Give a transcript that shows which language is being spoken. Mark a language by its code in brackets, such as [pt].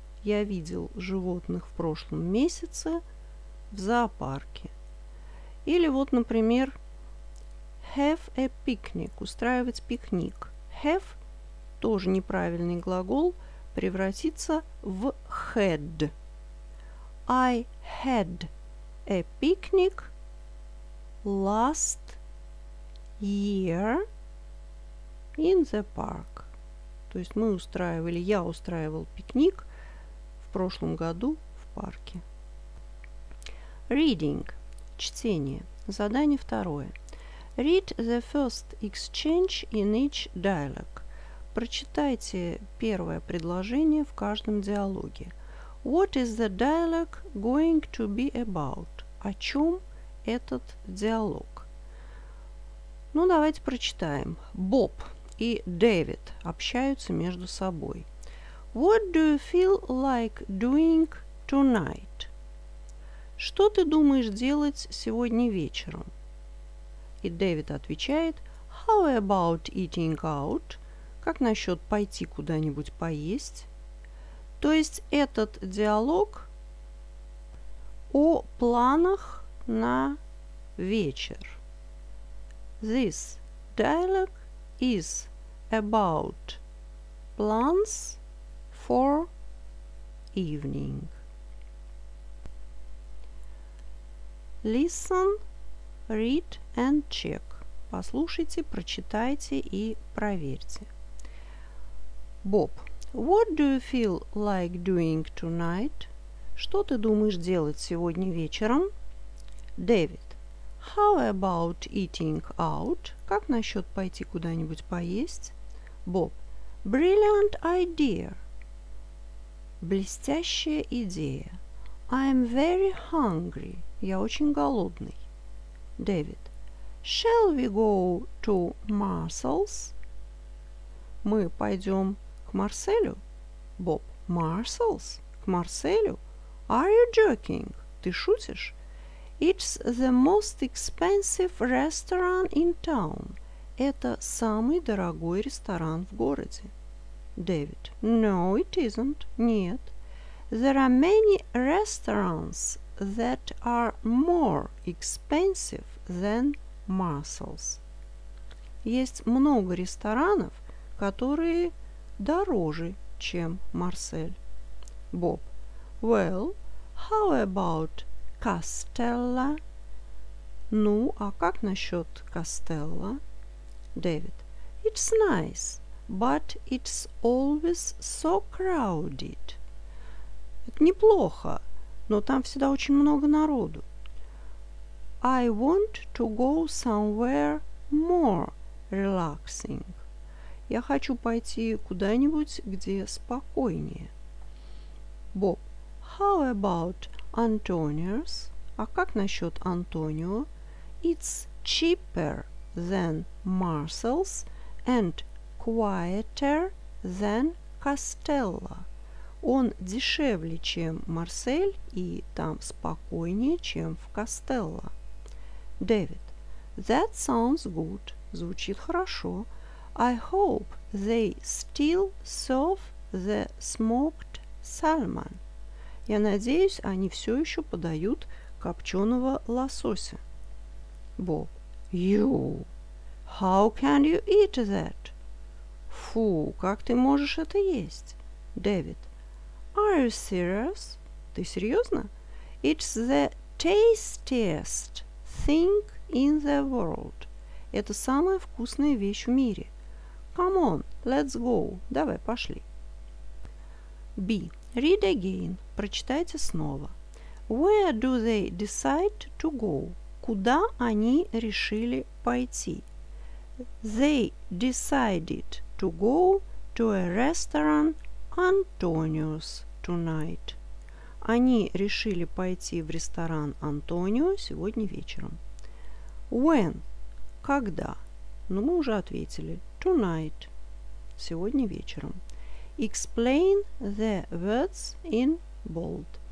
[ru] Я видел животных в прошлом месяце в зоопарке. Или вот, например, [en] have a picnic, [ru] устраивать пикник. Have – тоже неправильный глагол, превратится в had. [en] I had a picnic last year in the park. [ru] То есть мы устраивали, я устраивал пикник в прошлом году в парке. Reading – чтение. Задание второе. [en] Read the first exchange in each dialogue. [ru] Прочитайте первое предложение в каждом диалоге. [en] What is the dialogue going to be about? [ru] О чем этот диалог? Ну, давайте прочитаем. Боб и Дэвид общаются между собой. [en] What do you feel like doing tonight? [ru] Что ты думаешь делать сегодня вечером? И Дэвид отвечает. [en] How about eating out? [ru] Как насчет пойти куда-нибудь поесть? То есть этот диалог о планах на вечер. [en] This dialogue is about plans for evening. Listen, read and check. [ru] Послушайте, прочитайте и проверьте. [en] Bob, what do you feel like doing tonight? [ru] Что ты думаешь делать сегодня вечером? [en] David, how about eating out? [ru] Как насчет пойти куда-нибудь поесть? [en] Bob, brilliant idea. [ru] Блестящая идея. [en] I'm very hungry. [ru] Я очень голодный. [en] David, shall we go to Marcel's? [ru] Мы пойдем к Марселю? Боб, Marcel's? К Марселю? [en] Are you joking? [ru] Ты шутишь? [en] It's the most expensive restaurant in town. [ru] Это самый дорогой ресторан в городе. [en] David, no, it isn't. [ru] Нет. [en] There are many restaurants that are more expensive than Marcel's. [ru] Есть много ресторанов, которые дороже, чем Марсель. [en] Bob, well, how about Castella? [ru] Ну, а как насчет Castella? [en] David, it's nice, but it's always so crowded. [ru] Это неплохо, но там всегда очень много народу. [en] I want to go somewhere more relaxing. [ru] Я хочу пойти куда-нибудь, где спокойнее. [en] Bob, how about Antonio's? [ru] А как насчет Антонио? [en] It's cheaper than Marcel's and quieter than Castella. [ru] Он дешевле, чем Марсель, и там спокойнее, чем в Castella. [en] David, that sounds good. [ru] Звучит хорошо. [en] I hope they still serve the smoked salmon. [ru] Я надеюсь, они все еще подают копченого лосося. [en] Bob, you, how can you eat that? [ru] Фу, как ты можешь это есть? [en] David, are you serious? [ru] Ты серьезно? [en] It's the tastiest thing in the world. [ru] Это самая вкусная вещь в мире. [en] Come on, let's go. [ru] Давай, пошли. [en] B. Read again. [ru] Прочитайте снова. [en] Where do they decide to go? [ru] Куда они решили пойти? [en] They decided to go to a restaurant Antonio's tonight. [ru] Они решили пойти в ресторан Антонио сегодня вечером. [en] When? [ru] Когда? Но мы уже ответили. [en] Tonight. [ru] Сегодня вечером. [en] Explain the words in bold.